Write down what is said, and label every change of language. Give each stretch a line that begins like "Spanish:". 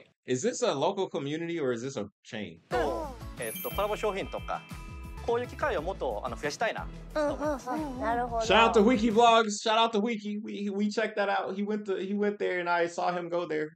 English: Wait, is this a local community or is this a chain?
Japanese: と、コラボ商品とかこういう機会をもっとあの増やしたいな。なるほど。
English: Shout out to Wiki Vlogs. Shout out to Wiki. We checked that out. He went there and I saw him go there.